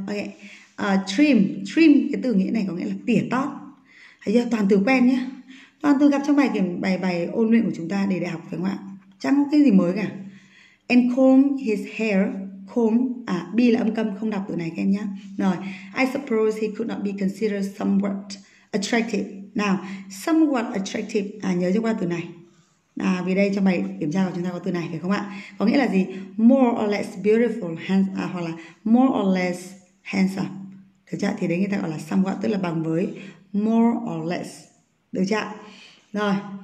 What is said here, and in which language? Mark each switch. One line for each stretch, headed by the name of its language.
Vietnamese: Rồi, ok. Trim cái từ nghĩa này có nghĩa là tỉa tóc. Thấy chưa? Toàn từ quen nhá. Toàn từ gặp trong bài ôn luyện của chúng ta để đại học phải không ạ? Chẳng có cái gì mới cả.
English: And comb his hair.
Vietnamese: Comb, B là âm câm, không đọc từ này các em nhé.
English: Rồi, I suppose he could not be considered somewhat attractive.
Vietnamese: Nào, somewhat attractive, nhớ cho qua từ này. Vì đây trong bài kiểm tra của chúng ta có từ này phải không ạ? Có nghĩa là gì?
English: More or less beautiful, handsome,
Vietnamese: hoặc là
English: more or less handsome.
Vietnamese: Được chưa? Thì đấy người ta gọi là somewhat, tức là bằng với more or less. Được chưa? Rồi.